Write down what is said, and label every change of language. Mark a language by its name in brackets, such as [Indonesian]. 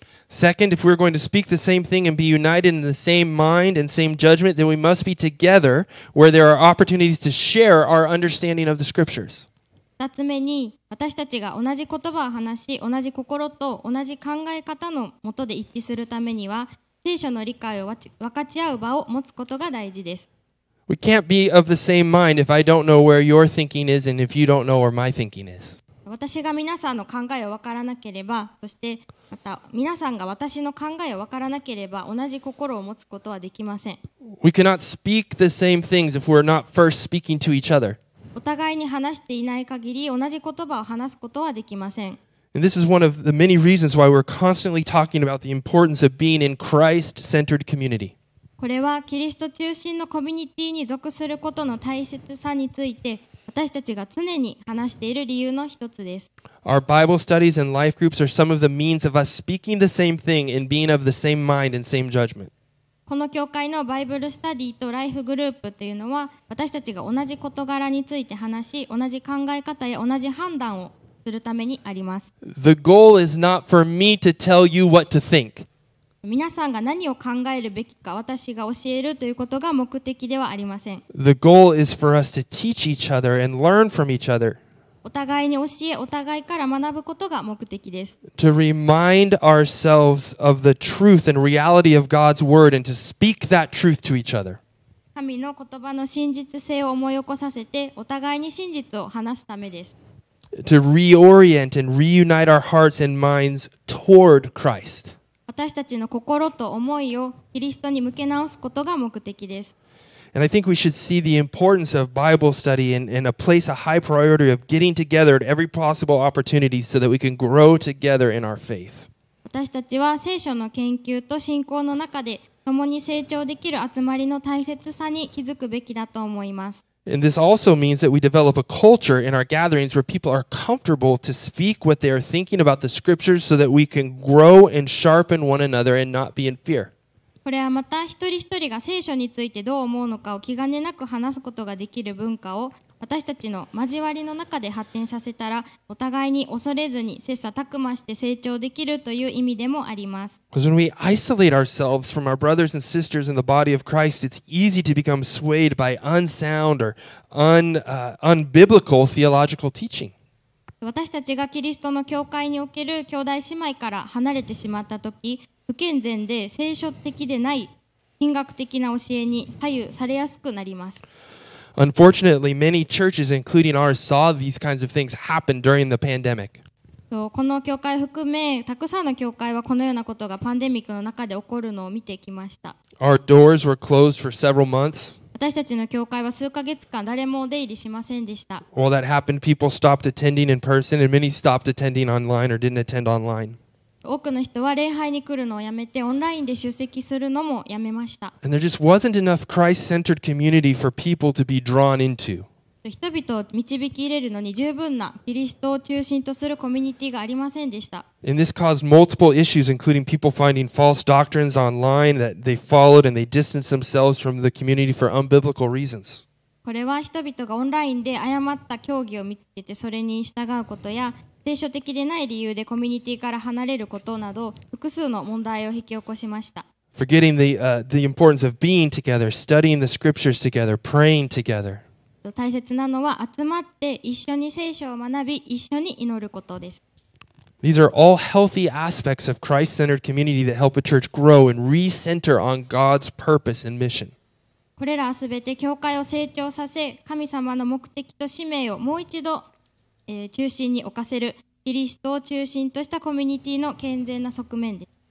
[English] Second, if we're going to speak the same thing and be united in the same mind and same judgment, then we must be together where there are opportunities to share our understanding of the scriptures. [Japanese] 2つ目に、私たちが同じ言葉を話し、同じ心と同じ考え方のもとで一致するためには、聖書の理解を分かち合う場を持つことが大事です。 [English] We can't be of the same mind if I don't know where your thinking is and if you don't know where my thinking is. [Japanese] 私が皆さんの考えを分からなければ、そしてまた皆さんが私の考えを分からなければ、同じ心を持つことはできません。 [English] We cannot speak the same things if we're not first speaking to each other. [Japanese] お互いに話していない限り同じ言葉を話すことはできません。 [English] And this is one of the many reasons why we're constantly talking about the importance of being in Christ-centered community. [Japanese] これはキリスト中心のコミュニティに属することの大切さについて私たちが常に話している理由の一つです。 [English] Our Bible studies and life groups are some of the means of us speaking the same thing and being of the same mind and same judgment. [Japanese] この教会のバイブルスタディとライフグループというのは、私たちが同じ事柄について話し、同じ考え方や同じ判断をするためにあります。 [English] The goal is not for me to tell you what to think. [Japanese] 皆さんが何を考えるべきか私が教えるということが目的ではありません。 [English] The goal is for us to teach each other and learn from each other. [Japanese] お互いに教え、お互いから学ぶことが目的です。 [English] To remind ourselves of the truth and reality of God's word and to speak that truth to each other. [Japanese] 神の言葉の真実性を思い起こさせて、お互いに真実を話すためです。 [English] To reorient and reunite our hearts and minds toward Christ. [Japanese] 私たちの心と思いをキリストに向け直すことが目的です。 [English] And I think we should see the importance of Bible study and place a high priority of getting together at every possible opportunity so that we can grow together in our faith. [Japanese] 私たちは聖書の研究と信仰の中で共に成長できる集まりの大切さに気づくべきだと思います。 [English] And this also means that we develop a culture in our gatherings where people are comfortable to speak what they are thinking about the scriptures so that we can grow and sharpen one another and not be in fear. [Japanese] これはまた一人一人が聖書についてどう思うのかを気兼ねなく話すことができる文化を私たちの交わりの中で発展させたら、お互いに恐れずに切磋琢磨して成長できるという意味でもあります。 [English] Because when we isolate ourselves from our brothers and sisters in the body of Christ, it's easy to become swayed by unsound or unbiblical theological teaching. [Japanese] 私たちがキリストの教会における兄弟姉妹から離れてしまったとき、不健全で聖書的でない神学的な教えに左右されやすくなります。 [English] Unfortunately, many churches, including ours, saw these kinds of things happen during the pandemic. [Japanese] この教会含め、たくさんの教会はこのようなことがパンデミックの中で起こるのを見てきました。 [English] Our doors were closed for several months. [Japanese] 私たちの教会は数ヶ月間誰も出入りしませんでした。 [English] Well, that happened. People stopped attending in person, and many stopped attending online or didn't attend online. [Japanese] 多くの人は礼拝に来るのをやめて、オンラインで出席するのもやめました。 [English] And there just wasn't enough Christ-centered community for people to be drawn into. [Japanese] 人々を導き入れるのに十分なキリストを中心とするコミュニティがありませんでした。 [English] And this caused multiple issues, including people finding false doctrines online that they followed and they distanced themselves from the community for unbiblical reasons. [Japanese] これは人々がオンラインで誤った教義を見つけてそれに従うことや、聖書的でない理由でコミュニティから離れることなど複数の問題を引き起こしました。 [English] Forgetting the importance of being together, studying the scriptures together, praying together. [Japanese] 大切なのは集まって一緒に聖書を学び一緒に祈ることです。 [English] These are all healthy aspects of Christ-centered community that help a church grow and recenter on God's purpose and mission. [Japanese] これらすべて教会を成長させ、神様の目的と使命をもう一度、中心に置かせる、キリストを中心としたコミュニティの健全な側面です。